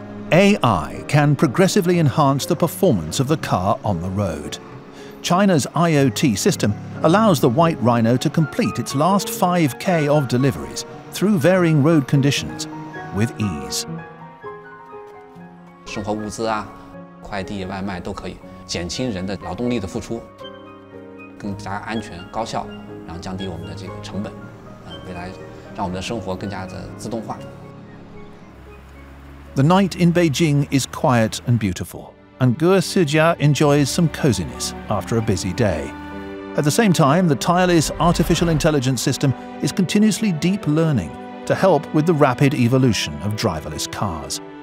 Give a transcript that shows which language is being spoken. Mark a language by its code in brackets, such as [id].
[en] AI can progressively enhance the performance of the car on the road. China's IoT system allows the White Rhino to complete its last 5K of deliveries through varying road conditions with ease. [zh] 生活物资啊，快递、外卖都可以，减轻人的劳动力的付出，更加安全、高效，然后降低我们的这个成本，未来让我们的生活更加的自动化。 [en] The night in Beijing is quiet and beautiful. And Gua Sijia enjoys some coziness after a busy day. At the same time, the tireless artificial intelligence system is continuously deep learning to help with the rapid evolution of driverless cars.